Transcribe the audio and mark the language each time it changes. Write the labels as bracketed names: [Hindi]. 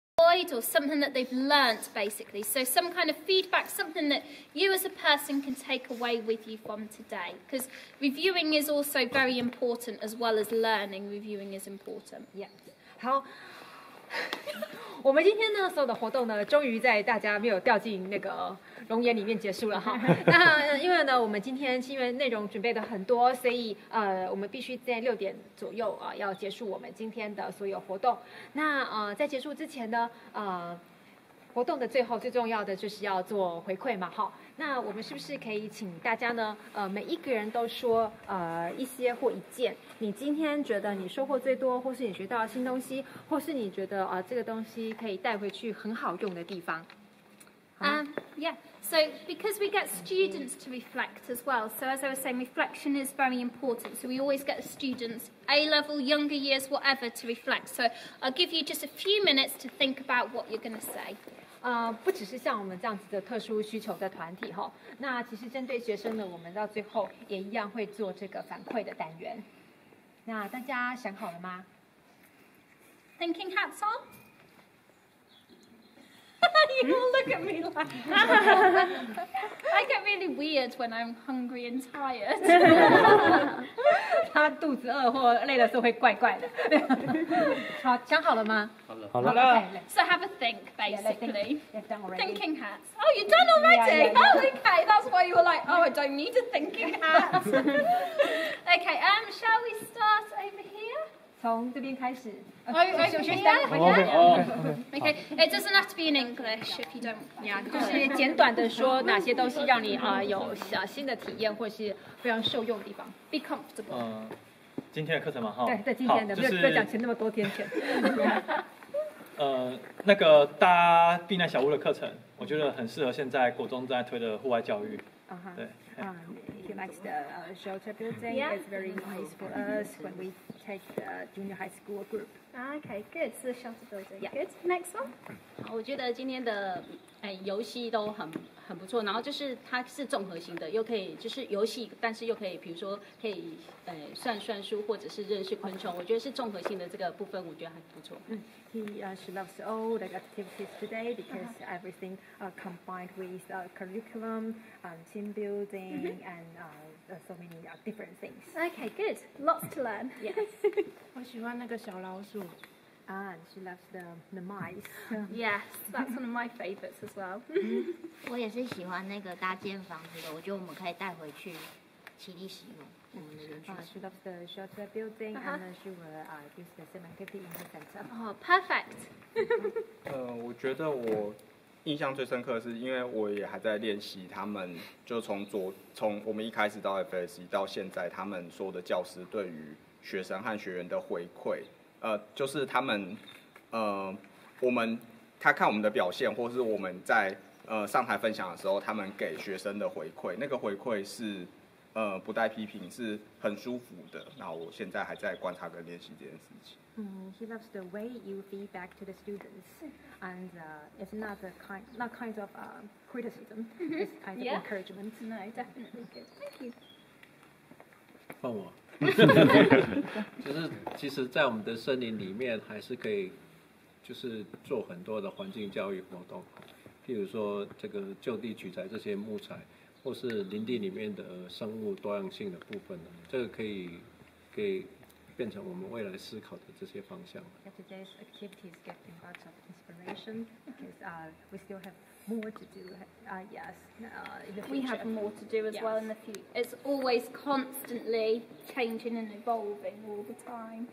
[English] grade or something that they've learnt, basically. So some kind of feedback, something that you as a person can take away with you from today. Because reviewing is also very important, as well as learning. Reviewing is important. Yeah. [Chinese] 好。我们今天呢所有的活动呢终于在大家没有掉进那个熔岩里面结束了哈。那因为呢我们今天因为内容准备的很多，所以我们必须在6点左右要结束我们今天的所有活动。那在结束之前呢活动的最后最重要的就是要做回馈嘛哈。那我们是不是可以请大家呢每一个人都说一些或一件你今天觉得你收获最多，或是你学到新东西，或是你觉得这个东西可以带回去很好用的地方。 [English] Yeah, so because we get students to reflect as well, so as I was saying, reflection is very important. So we always get students, A-level, younger years, whatever, to reflect. So I'll give you just a few minutes to think about what you're going to say. [Chinese] 不只是像我们这样子的特殊需求的团体哈，那其实针对学生呢，我们到最后也一样会做这个反馈的单元。那大家想好了吗？ [English] Thinking hats on? You all look at me like I get really weird when I'm hungry and tired. [Chinese] 他肚子饿或累的时候会怪怪的。好，想好了吗？好了。 [English] Okay, so have a think, basically. Yeah, thinking hats. Oh, you're done already? Okay, that's why you were like, oh, I don't need a thinking hat. Okay, shall we start over here? [Chinese] 从这边开始。 [English] Okay. It doesn't have to be in English if you don't. Yeah, [Chinese] 就是简短的说哪些东西让你有新的体验或是非常受用的地方。 [English] Be comfortable. [Chinese] 今天的课程嘛，哈。对，在今天的，不要讲前那么多天前。那个搭避难小屋的课程，我觉得很适合现在国中在推的户外教育。对。 [English] If you like the shelter building, yeah. It's very nice for us when we take the junior high school group. Okay, good. So shelter building. Yeah. Good. Next one. [Chinese] 我觉得今天的游戏都很不错，然后就是它是综合型的，又可以就是游戏，但是又可以比如说可以算书或者是认识昆虫，我觉得是综合性的这个部分我觉得还不错。 [English] She loves all the activities today because everything combined with curriculum, team building, and so many different things. Okay, good. Lots to learn. Yes. [Chinese] 我喜欢那个小老鼠。 [English] And she loves the mice. Yes, that's one of my favorites as well. [Chinese] 我也是喜欢那个搭建房子的，我觉得我们可以带回去，起立使用。 [English] She loves the shelter building, and she will use the same activity in the center. Oh, perfect. [Chinese] 我觉得我印象最深刻的是，因为我也还在练习他们，就从我们一开始到 FSC 到现在，他们所有的教师对于学生和学员的回馈。就是他们，他看我们的表现，或是我们在上台分享的时候，他们给学生的回馈，那个回馈是不带批评，是很舒服的。那我现在还在观察跟练习这件事情。 [English] He loves the way you feedback to the students, and it's not the kind of criticism, it's kind of encouragement. No, definitely good. Thank you. [Chinese] 放我。就是其实在我们的森林里面还是可以就是做很多的环境教育活动，譬如说这个就地取材这些木材，或是林地里面的生物多样性的部分，这个可以变成我们未来思考的这些方向。 [English] Today's activities getting lots of inspiration because we still have more to do. We have more to do as well in the future. It's always constantly changing and evolving all the time.